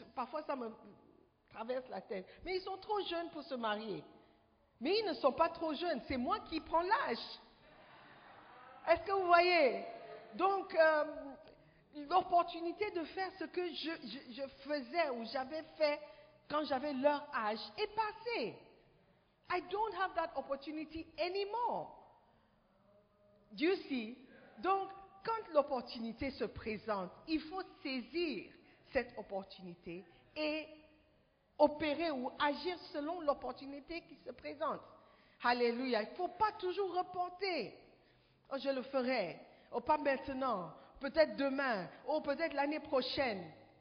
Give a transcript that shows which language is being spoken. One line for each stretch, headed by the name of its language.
French: Parfois ça me traverse la tête. Mais ils sont trop jeunes pour se marier. Mais ils ne sont pas trop jeunes, c'est moi qui prends l'âge. Est-ce que vous voyez? Donc, l'opportunité de faire ce que je faisais ou j'avais fait quand j'avais leur âge est passée.
English: I don't have that opportunity anymore. Do you see? Donc,
French: quand l'opportunité se présente, il faut saisir cette opportunité et opérer ou agir selon l'opportunité qui se présente. Alléluia. Il ne faut pas toujours reporter. Oh, je le ferai. Oh, pas maintenant. Peut-être demain. Oh, peut-être l'année prochaine.